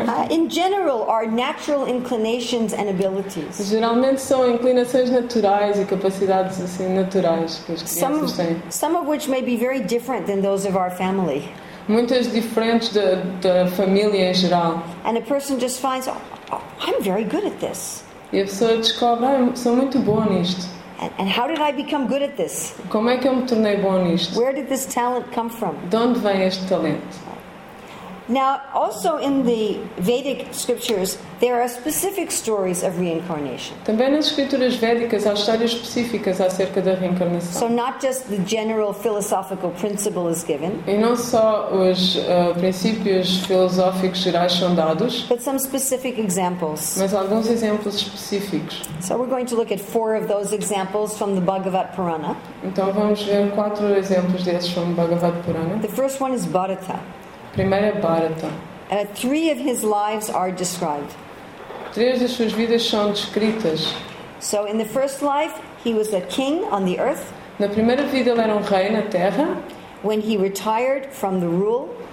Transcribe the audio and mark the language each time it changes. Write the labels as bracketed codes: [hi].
[en] In general, are natural inclinations and abilities. [pt] Geralmente são inclinações naturais e capacidades assim naturais que as crianças têm. [en] Some of which may be very different than those of our family. [pt] Muitas diferentes da família em geral. [en] And a person just finds, oh, I'm very good at this. [pt] E a pessoa descobre, ah, sou muito boa nisto. [en] And how did I become good at this? [pt] Como é que eu me tornei bom nisto? [en] Where did this talent come from? [pt] De onde vem este talento? [en] Now, also in the Vedic scriptures, there are specific stories of reincarnation. [pt] Também nas escrituras védicas há histórias específicas acerca da reencarnação. [en] So not just the general philosophical principle is given. [pt] E não só os princípios filosóficos gerais são dados. [en] But some specific examples. [pt] Mas alguns exemplos específicos. [en] So we're going to look at four of those examples from the Bhagavad Purana. [pt] Então vamos ver quatro exemplos desses [en] from [pt] Bhagavad Purana. [en] The first one is Bharata. [pt] Primeiro é Bharata. [en] Three of his lives are described. [pt] Três das suas vidas são descritas. [en] So in the first life, he was a king on the earth. [pt] Na primeira vida ele era rei na terra. [en] When he retired from the rule.